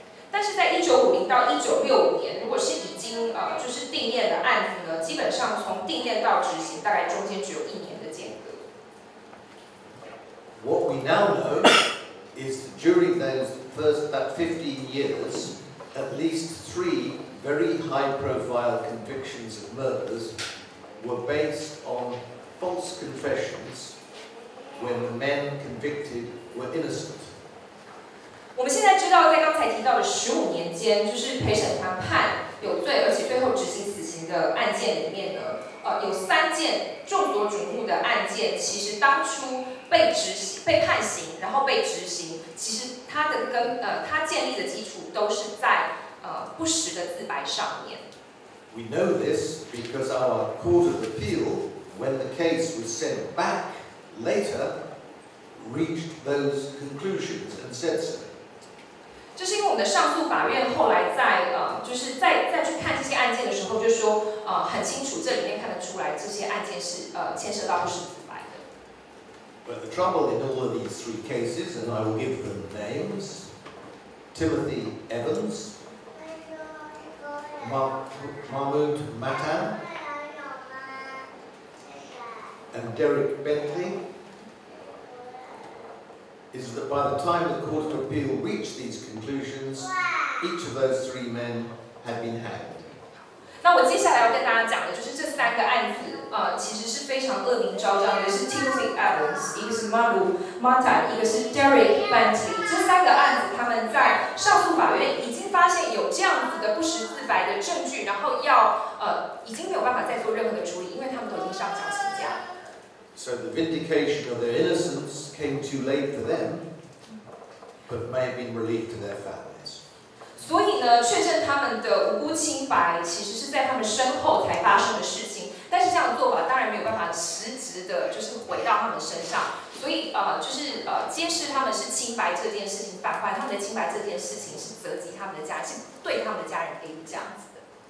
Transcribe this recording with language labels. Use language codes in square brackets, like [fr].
[zh] 但是在1950到1965年，如果是已经就是定谳的案子呢，基本上从定谳到执行，大概中间只有一年的间隔。 [en] What we now know is that during that 15 years, at least 3 very high-profile convictions of murders. Were based on false confessions when the men convicted were innocent. [zh] 我们现在知道，在刚才提到的15年间，就是陪审团判有罪，而且最后执行死刑的案件里面呢，有3件众多瞩目的案件，其实当初被判刑，然后被执行，其实它的它建立的基础都是在不实的自白上面。 [en] We know this because our Court of Appeal, when the case was sent back later, reached those conclusions and said so. [zh] 这是因为我们的上诉法院后来在就是在去看这些案件的时候，就说很清楚，这里面看得出来这些案件是牵涉到不实自白的。 [en] But the trouble in all of these 3 cases, and I will give them names: Timothy Evans. Mahmoud Matan and Derek Bentley is that by the time the Court of Appeal reached these conclusions, each of those 3 men had been hanged. [zh] 那我接下来要跟大家讲的就是这三个案子，其实是非常恶名昭彰的，是 Timothy Evans， 一个是 Mahmoud Matan， 一个是 Derek Bentley。这三个案子，他们在上诉法院已经发现有这样子的不实自白的证据，然后要已经没有办法再做任何的处理，因为他们都已经上绞刑架了。 [en] So the vindication of their innocence came too late for them, but may have been relief to their families. [zh] 所以呢，确证他们的无辜清白，其实是在他们身后才发生的事情。但是这样的做法当然没有办法实质的，就是回到他们身上。所以就是揭示他们是清白这件事情，反观他们的清白这件事情，是责及他们的家，是对他们的家人给予这样子的。